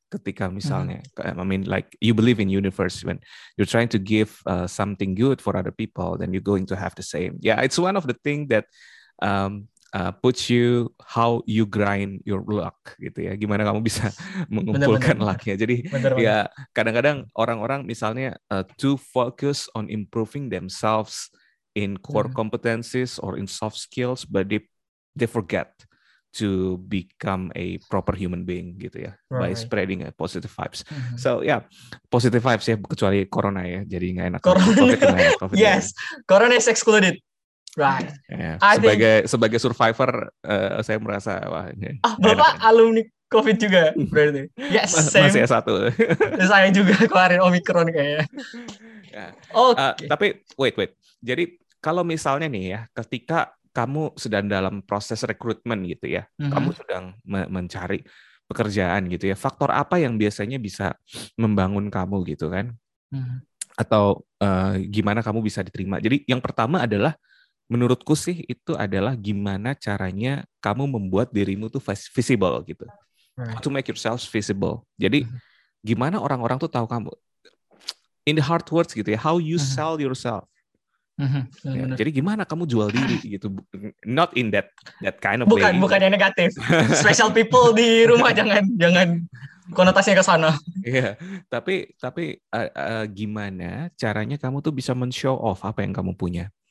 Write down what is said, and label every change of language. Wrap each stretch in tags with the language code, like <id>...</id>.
<en>Ketika misalnya like you believe in universe, when you're trying to give something good for other people, then you're going to have the same. Yeah, it's one of the thing that puts you how you grind your luck gitu ya.</en> <id>Gimana kamu bisa mengumpulkan lucknya. Jadi bener-bener.</id> <en>Ya kadang-kadang orang-orang misalnya too focus on improving themselves in core competencies or in soft skills, but they forget to become a proper human being gitu ya, right, by spreading positive vibes.</en> <id>So yeah, positive vibes ya, kecuali corona ya, jadi nggak enak.</id> <en>COVID. Yes, corona is excluded. Right.</en> <id>Yeah. Sebagai survivor, saya merasa wah. Bapak alumni COVID juga berarti.</id> <en>Yes, same.</en> <id>Masih S1. Saya juga keluarin Omicron kayaknya.</id> <en>Yeah. Oke. Okay. Tapi wait.</en> <id>Jadi kalau misalnya nih ya, ketika kamu sedang dalam proses rekrutmen gitu ya, kamu sedang mencari, pekerjaan gitu ya, faktor apa yang biasanya bisa membangun kamu gitu kan, atau gimana kamu bisa diterima. Jadi yang pertama adalah, menurutku sih itu adalah gimana caranya kamu membuat dirimu tuh visible gitu.</id> <en>Right.</en> <id>To make yourself visible. Jadi gimana orang-orang tuh tahu kamu?</id> <en>In the hard words gitu ya, how you sell yourself.</en> <id>Ya, jadi gimana kamu jual diri gitu?</id> <en>Not in that kind of</en> <id>bukan,</id> <en>way.</en> <id>Bukan yang negatif. Special people di rumah jangan konotasinya ke sana. Iya, tapi gimana caranya kamu tuh bisa men-show off apa yang kamu punya?</id>